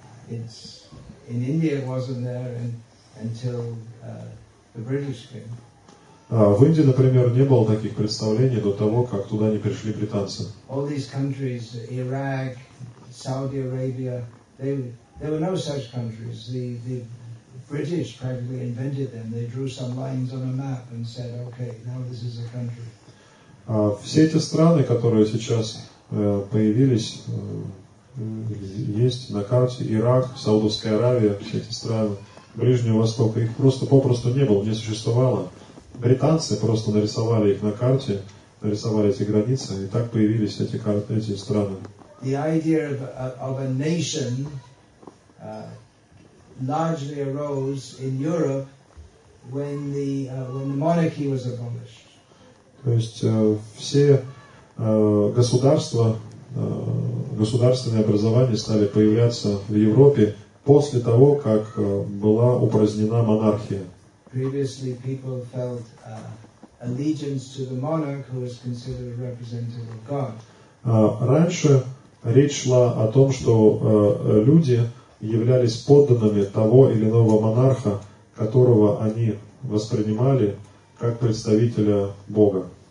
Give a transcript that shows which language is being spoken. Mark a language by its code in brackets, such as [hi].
[en] In India it wasn't there until the British came. [ru] В Индии, например, не было таких представлений до того, как туда не пришли британцы. [en] All these countries, Iraq, Saudi Arabia, they were no such countries. The British practically invented them. They drew some lines on a map and said, okay, now this is a country. [ru] Все эти страны, которые сейчас появились, есть на карте, Ирак, Саудовская Аравия, все эти страны Ближнего Востока, их просто-попросту не было, не существовало. Британцы просто нарисовали их на карте, нарисовали эти границы, и так появились эти карты, эти страны. [en] The idea of a nation largely arose in Europe when the monarchy was abolished. [ru] То есть все государства, государственные образования стали появляться в Европе после того, как была упразднена монархия. [en] Previously, people felt allegiance to the monarch, who was considered a representative of God. [ru] Раньше речь шла о том, что люди являлись подданными того или иного монарха, которого они воспринимали как представителя Бога.